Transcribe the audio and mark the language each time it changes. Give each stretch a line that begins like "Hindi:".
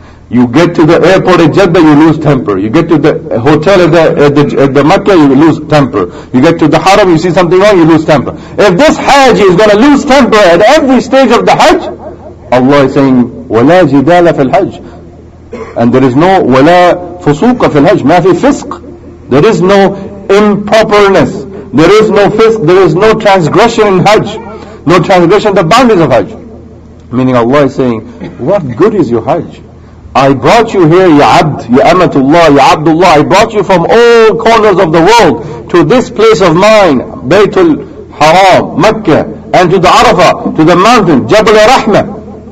English: You get to the airport at Jeddah, you lose temper. You get to the hotel at the Mecca, you lose temper. You get to the haram, you see something wrong, you lose temper. If this hajj is going to lose temper at every stage of the hajj, Allah is saying,
Arabic: وَلَا جِدَالَ فِي الْحَجِّ.
English: And there is no
Arabic: وَلَا فُسُوقَ فِي الْحَجْ مَا فِي فِسْقْ.
English: There is no improperness. There is no fisq. There is no transgression in hajj. No transgression the boundaries of hajj. Meaning Allah is saying, what good is your hajj? I brought you here, Ya Abd, Ya Amatullah, Ya Abdullah. I brought you from all corners of the world to this place of mine, Baytul Haram, Mecca, and to the Arafah, to the mountain, Jabal Rahmah.